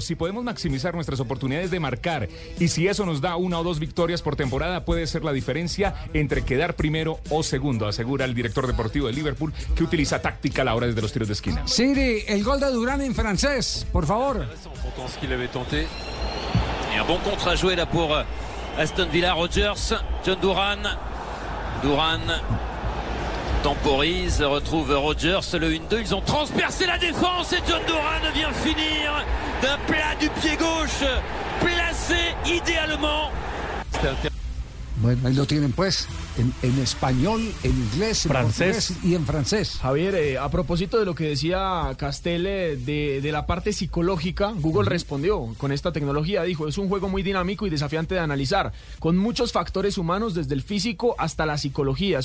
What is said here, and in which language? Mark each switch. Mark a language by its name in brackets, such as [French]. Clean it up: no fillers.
[Spanish] Si podemos maximizar nuestras oportunidades de marcar y si eso nos da una o dos victorias por temporada, puede ser la diferencia entre quedar primero o segundo, asegura el director deportivo de Liverpool, que utiliza táctica a la hora desde los tiros de esquina. Siri, el gol de Durán en francés, por favor. [French] Intéressant ce qu'il avait tenté. Y un bon contre à jouer là pour Aston Villa. Rodgers, John Duran. Duran temporise, retrouve Rodgers, le 1-2. Ils ont transpercé la défense et John Duran vient finir d'un plat du pied gauche, placé idéalement. [Spanish] Bueno, ahí lo tienen pues, en español, en inglés, en francés, portugués y en francés. Javier, a propósito de lo que decía Castelle de la parte psicológica, Google respondió con esta tecnología, dijo, es un juego muy dinámico y desafiante de analizar, con muchos factores humanos, desde el físico hasta la psicología.